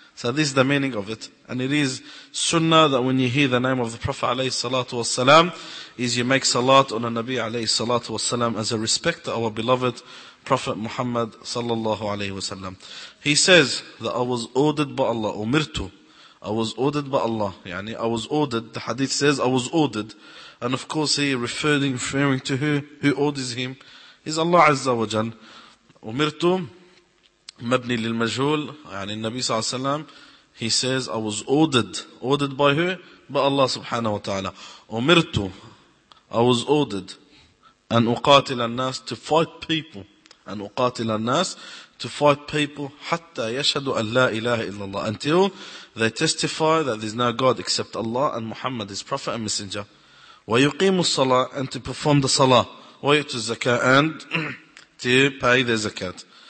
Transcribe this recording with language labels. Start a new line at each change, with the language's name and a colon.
English: So this is the meaning of it. And it is sunnah that when you hear the name of the Prophet alayhi salatu wasalam, is you make salat on the Nabi alayhi salatu wasalam as a respect to our beloved Prophet Muhammad sallallahu alayhi wasalam. He says that I was ordered by Allah, umirtu. I was ordered by Allah. Yani I was ordered. The hadith says I was ordered. And of course he referring to who orders him is Allah azza wa jal.
Arabic: Umirtu. مبني للمجهول يعني النبي صلى الله عليه وسلم
English: he says I was ordered by who? By Allah subhanahu wa ta'ala.
Arabic: أمرت
English: I was ordered
Arabic: أن أقاتل الناس
English: to fight people
Arabic: أن أقاتل الناس
English: to fight people
Arabic: حتى يشهدوا أن لا إله إلا الله
English: until they testify that there's no God except Allah and Muhammad his prophet and messenger
Arabic: ويقيم الصلاة
English: and to perform the salah
Arabic: ويؤتوا الزكاة
English: and to pay their zakat.